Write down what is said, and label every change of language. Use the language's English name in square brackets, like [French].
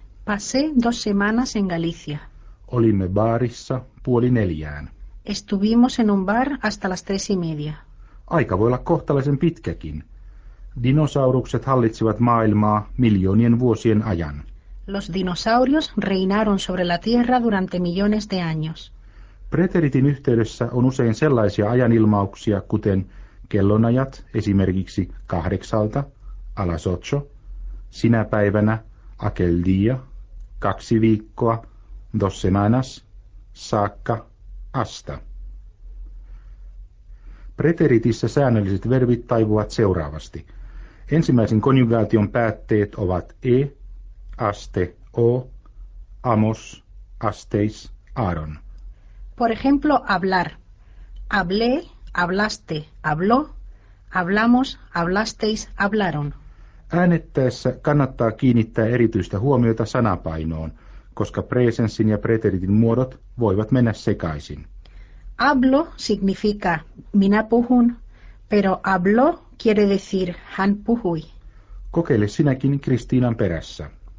[Spanish] Pasé 2 semanas en Galicia. [Finnish] Olimme baarissa 3:30. [Spanish] Estuvimos en un bar hasta las 3:30. [Finnish] Aika voi olla kohtalaisen pitkäkin. Dinosaurukset hallitsivat maailmaa miljoonien vuosien ajan. [Spanish] Los dinosaurios reinaron sobre la Tierra durante millones de años. [Finnish] Preteritin yhteydessä on usein sellaisia ajanilmauksia, kuten kellonajat esimerkiksi 8:00, alas 8:00, sinä päivänä, [Spanish] aquel día, [Finnish] 2 viikkoa, [Spanish] dos semanas, [Finnish] saakka, hasta. Preteritissä säännölliset verbit taipuvat seuraavasti. Ensimmäisen konjugaation päätteet ovat e, aste, o, amos, asteis, aaron. [Spanish] Por ejemplo, hablar. Hablé, hablaste, habló, hablamos, hablasteis, hablaron. [Finnish] Äänettäessä kannattaa kiinnittää erityistä huomiota sanapainoon, koska presensin ja preteritin muodot voivat mennä sekaisin. [Spanish] Hablo significa [Finnish] minä puhun, [Spanish] pero habló quiere decir [Finnish] hän puhui. Kokeile sinäkin Kristiinan perässä.